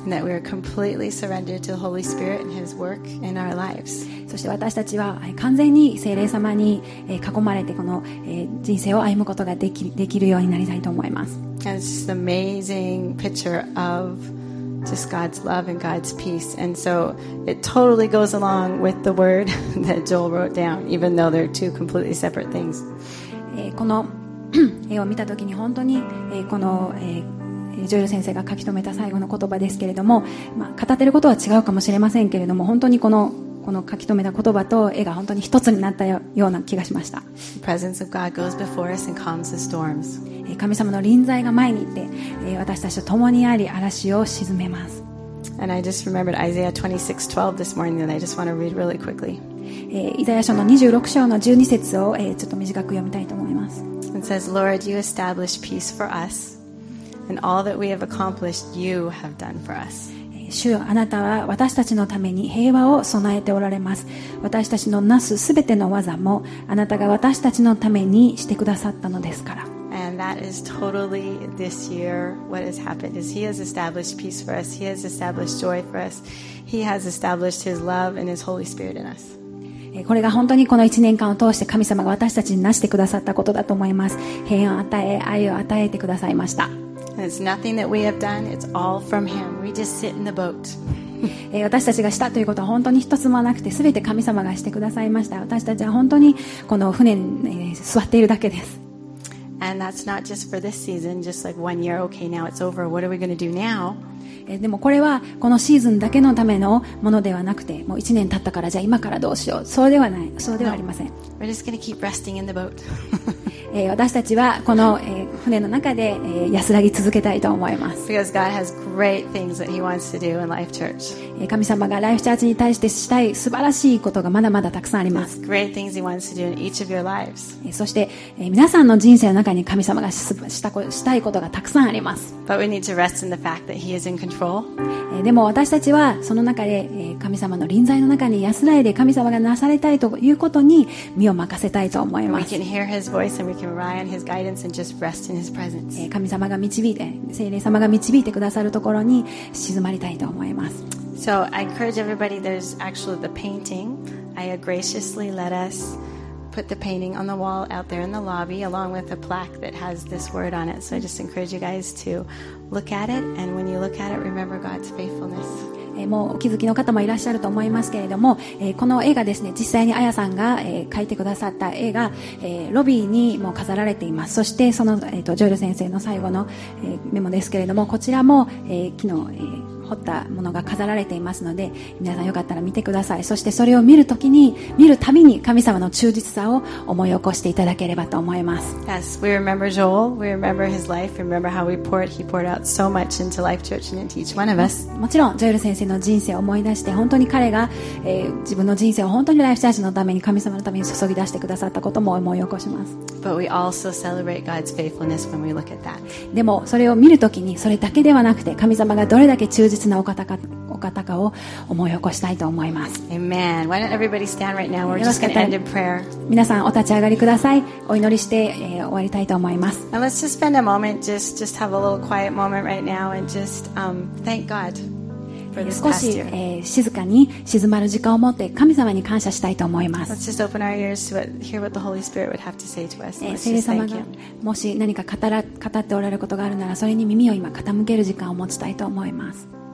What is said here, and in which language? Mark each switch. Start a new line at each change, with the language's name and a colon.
English: And that we are completely surrendered to the Holy Spirit and His work in our lives.
Japanese: そして私たちは完全に聖霊様に囲まれてこの人生を歩むことができるようになりたいと思います。
English: And it's just an amazing picture of just God's love and God's peace. And so it totally goes along with the word that Joel wrote down, even though they're two completely separate things.
Japanese: この絵を見たときに本当にこのジョエル先生が書き留めた最後の言葉ですけれども、まあ、語っていることは違うかもしれませんけれども、本当にこの書き留めた言葉と絵が本当に一つになったような気がしました。
English: The presence of God goes before us and calms the storms.
Japanese: 神様の臨在が前に行って、私たちと共にあり、嵐を鎮めます。
English: And I just remembered Isaiah 26:12 this morning that I just want to read really quickly.
Japanese: イザヤ書の26章の12節をちょっと短く読みたいと思います。
English: It says, Lord, you establish peace for us. And all that we have accomplished, you have done for us.
Japanese: 主よ、あなたは私たちのために平和を備えておられます。私たちのなすすべての技もあなたが私たちのためにしてくださったのですから。
English: And that is totally this year what has happened is He has established peace for us. He has established joy for us. He has established His love and His Holy Spirit in us.
Japanese: これが本当にこの1年間を通して神様が私たちになしてくださったことだと思います。平安を与え、愛を与えてくださいました。
English: It's nothing that we have done. It's all from Him. We just sit in the boat.
Japanese: 私たちがしたということは本当に一つもなくて、すべて神様がしてくださいました。私たちは本当にこの船に座っているだけです。
English: And that's not just for this season. Just like one year. Okay, now it's over. What are we going to do now?
Japanese: でもこれはこのシーズンだけのためのものではなくて、もう1年経ったからじゃあ今からどうしよう、そうではない、そうではありません。
English: We're just gonna keep resting in the boat.
Japanese: 私たちはこの船の中で安らぎ続けたいと思います。
English: Because God has great things that He wants to do in Life Church.
Japanese: 神様がライフチャーチに対してしたい素晴らしいことがまだまだたくさんあります。
English: Great things He wants to do in each of your lives.
Japanese: そして皆さんの人生の中に神様がしたいことがたくさんあります。
English: But we need to rest in the fact that He is in control.
Japanese: でも私たちはその中で神様の臨在の中に安らいで、神様がなされたいということに身を任せたいと思います。
English: We can hear His voice and we can rely on His guidance and just rest in His presence.
Japanese: 神様が導いて、聖霊様が導いてくださるところに静まりたいと思います。
English: So I encourage everybody, there's actually the painting. I graciously let us put the painting on the wall out there in the lobby along with a plaque that has this word on it. So I just encourage you guys to look at it and when you look at it, remember God's faithfulness.
Japanese: もうお気づきの方もいらっしゃると思いますけれども、この絵がですね、実際にあやさんが描いてくださった絵が、ロビーにも飾られています。そしてその、ジョエル先生の最後の、メモですけれども、こちらも、昨日、彫ったものが飾られていますので、皆さんよかったら見てください。そしてそれを見るときに、見るたびに神様の忠実さを思い起こしていただければと思います。
English: Yes, we remember Joel. We remember his life. Remember how he poured out so much into Life Church and into each one of us.
Japanese: もちろんジョエル先生の人生を思い出して、本当に彼が、自分の人生を本当にライフチャージのために、神様のために注ぎ出してくださったことも思い起こします。
English: But we also celebrate God's faithfulness when we look at that.
Japanese: でもそれを見るときに、それだけではなくて、神様がどれだけ忠実実なお方かを思い起こしたいと思います。
English: Amen. Why don't everybody stand right now? We're just going to end in prayer.
Japanese: 皆さんお立ち上がりください。お祈りして、終わりたいと思います。
English: And let's just spend a moment, just have a little quiet moment right now and just thank God for this past year.
Japanese: 少し、静かに静まる時間を持って神様に感謝したいと思います。
English: Let's just open our ears to hear what the Holy Spirit would have to say to us.
Japanese: 聖霊様がもし何か語っておられることがあるなら、それに耳を今傾ける時間を持ちたいと思います。